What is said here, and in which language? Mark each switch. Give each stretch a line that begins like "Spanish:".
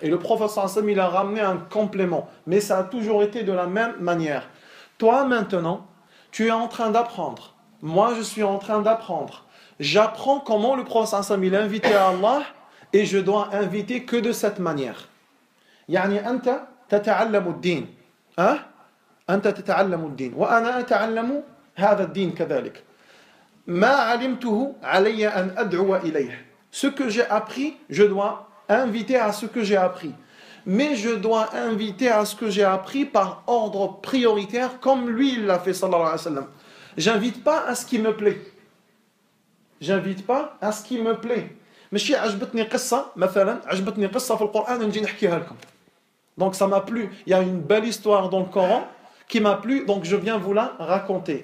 French: Et le prophète, il a ramené un complément. Mais ça a toujours été de la même manière. Toi, maintenant, tu es en train d'apprendre. Moi, je suis en train d'apprendre. J'apprends comment le prophète, il a invité à Allah et je dois inviter que de cette manière.
Arabic: Yani, anta tata'allamu d-din. Hein? أنت تتعلم الدين وأنا أتعلم هذا الدين كذلك ما علمته علي أن أدعو إليه.
French: Ce que j'ai appris, je dois inviter à ce que j'ai appris. Mais je dois inviter à ce que j'ai appris par ordre prioritaire, comme lui il l'a fait, sallallahu alayhi wa sallam. J'invite pas à ce qui me plaît. J'invite pas à ce qui me plaît.
Arabic: ماشي عجبتني قصة مثلا عجبتني قصة في القرآن نجي نحكيها لكم.
French: Donc ça m'a plu. Il y a une belle histoire dans le Coran qui m'a plu, donc je viens vous la raconter.